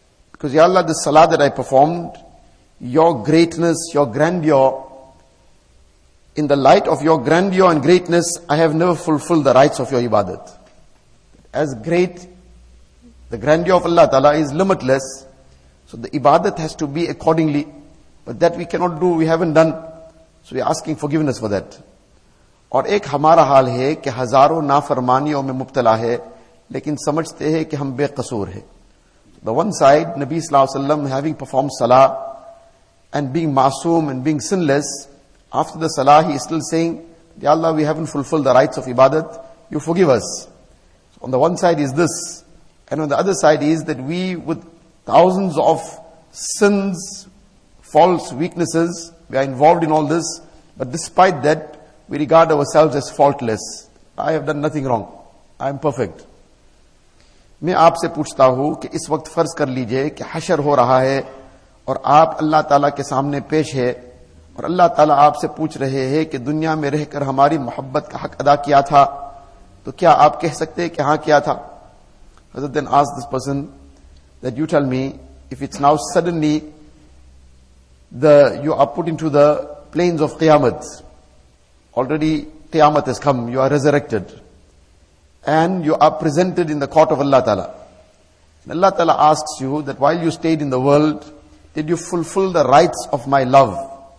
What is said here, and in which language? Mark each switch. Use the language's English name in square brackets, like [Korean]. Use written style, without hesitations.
[English] Because Ya Allah, this salah that I performed, your greatness, your grandeur, In the light of your grandeur and greatness, I have never fulfilled the rights of your ibadat. As great, the grandeur of Allah Ta'ala is limitless. So the ibadat has to be accordingly. But that we cannot do, we haven't done. So we are asking forgiveness for that. [Urdu] اور ایک ہمارا حال ہے کہ ہزاروں نافرمانیوں میں مبتلا ہے لیکن سمجھتے ہیں کہ ہم بے قصور ہیں. [English] The one side, Nabi صلی اللہ علیہ وسلم having performed salah and being masoom and being sinless, After the salah, he is still saying, Ya Allah, we haven't fulfilled the rights of ibadat. You forgive us. So on the one side is this. And on the other side is that we, with thousands of sins, faults, weaknesses, we are involved in all this. But despite that, we regard ourselves as faultless. I have done nothing wrong. I am perfect. [Urdu] میں آپ سے پوچھتا ہوں کہ اس وقت فرض کر لیجئے کہ حشر ہو رہا ہے اور آپ اللہ تعالیٰ کے سامنے پیش ہے اور اللہ تعالیٰ آپ سے پوچھ رہے ہیں کہ دنیا میں رہ کر ہماری محبت کا حق ادا کیا تھا تو کیا آپ کہہ سکتے کہ ہاں کیا تھا حضرت [English] then asked this person that you tell me if it's now suddenly you are put into the plains of Qiyamah. Already Qiyamah has come, you are resurrected. And you are presented in the court of Allah Ta'ala. And Allah Ta'ala asks you that while you stayed in the world, did you fulfill the rights of my love?